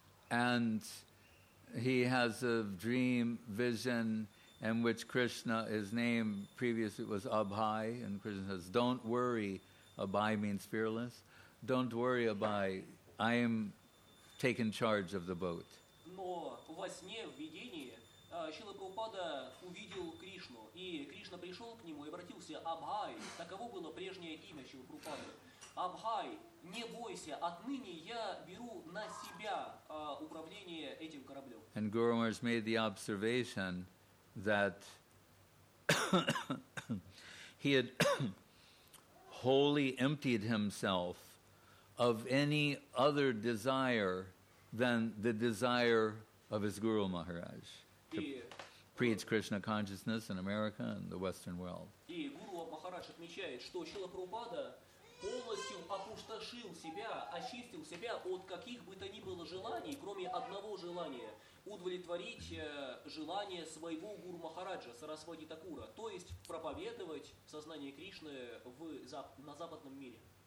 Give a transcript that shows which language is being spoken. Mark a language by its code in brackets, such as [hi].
[en] And he has a dream vision in which Krishna, his name previously was Abhay, and Krishna says, don't worry, Abhay means fearless, don't worry, Abhay, I am taking charge of the boat. [ru] Но во сне, в видении, Шрила Прабхупада увидел Кришну, и Кришна пришел к нему и обратился, Абхай, таково было прежнее имя Шрилы Прабхупады, Абхай, не бойся, отныне я беру на себя управление этим кораблем. [en] And Guru Maharaj made the observation that he had wholly emptied himself of any other desire than the desire of his Guru Maharaj to preach Krishna consciousness in America and the Western world. [ru] И Гуру Махарадж отмечает, что Шрила Прабхупада полностью опустошил себя, очистил себя от каких бы то ни было желаний, кроме одного желания – удовлетворить желание своего Гуру Махараджа, Сарасвати Такура, то есть проповедовать сознание Кришны на западном мире.